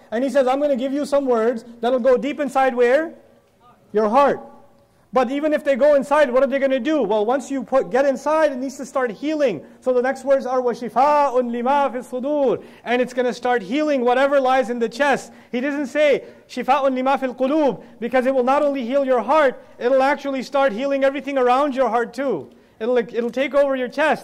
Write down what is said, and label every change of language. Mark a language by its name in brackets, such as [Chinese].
[English] And he says, I'm going to give you some words that'll go deep inside where? Your heart. But even if they go inside, what are they going to do? Well, once you get inside, it needs to start healing. So the next words are, [Arabic] وَشِفَاءٌ لِمَا فِي الصُّدُورِ. [English] And it's going to start healing whatever lies in the chest. He doesn't say, [Arabic] شِفَاءٌ لِمَا فِي الْقُلُوبِ. [English] Because it will not only heal your heart, it'll actually start healing everything around your heart too. It'll take over your chest.